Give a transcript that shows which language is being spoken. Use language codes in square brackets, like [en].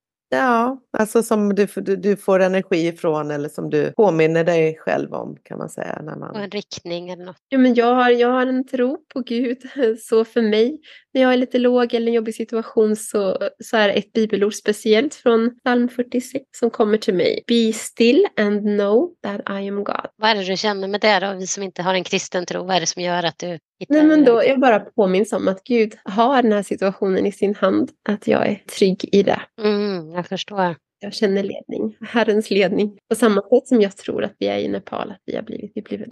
[sv] Ja, alltså som du får energi ifrån, eller som du påminner dig själv om, kan man säga. Och en riktning eller något. Ja, men jag har en tro på Gud. Så för mig, när jag är lite låg eller en jobbig situation, så är ett bibelord speciellt från psalm 46 som kommer till mig. [en] Be still and know that I am God. [sv] Vad är det du känner med det då, vi som inte har en kristen tro? Vad är det som gör att du... Nej, men då, jag bara påminns om att Gud har den här situationen i sin hand, att jag är trygg i det. Jag förstår. Jag känner ledning, Herrens ledning. På samma sätt som jag tror att vi är i Nepal, att vi har blivit.